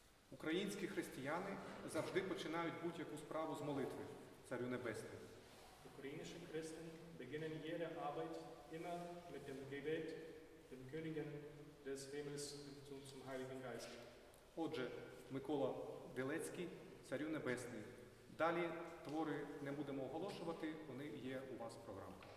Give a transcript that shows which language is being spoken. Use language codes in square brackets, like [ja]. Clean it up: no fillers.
[uk] Українські християни завжди починають будь-яку справу з молитви. Царю Небесне. Українські християни [de] beginnen jede Arbeit immer mit dem Gebet, dem Königen des Himmels zum Heiligen Geist. [uk] Отже, Микола Білецький, Царю Небесне. Далі твори не будемо оголошувати, вони є у вас в програмі.